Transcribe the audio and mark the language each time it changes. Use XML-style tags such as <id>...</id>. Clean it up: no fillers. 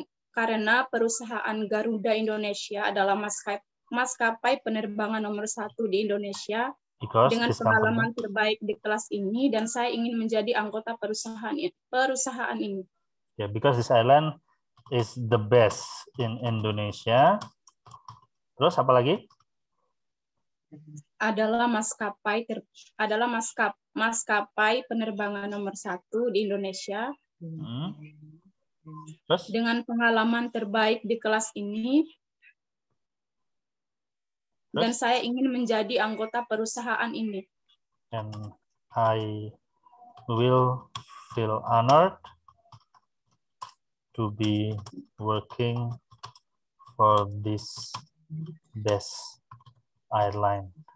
<id>Karena perusahaan Garuda Indonesia adalah maskapai penerbangan nomor satu di Indonesia. Because dengan pengalaman company terbaik di kelas ini, dan saya ingin menjadi anggota perusahaan ini.</id> <en>Yeah, because this island is the best in Indonesia.</en> <id>Terus apa lagi? Adalah maskapai penerbangan nomor satu di Indonesia. Hmm. Terus? Dengan pengalaman terbaik di kelas ini. Terus? Dan saya ingin menjadi anggota perusahaan ini.</id> <en>And I will feel honored to be working for this best airline.</en>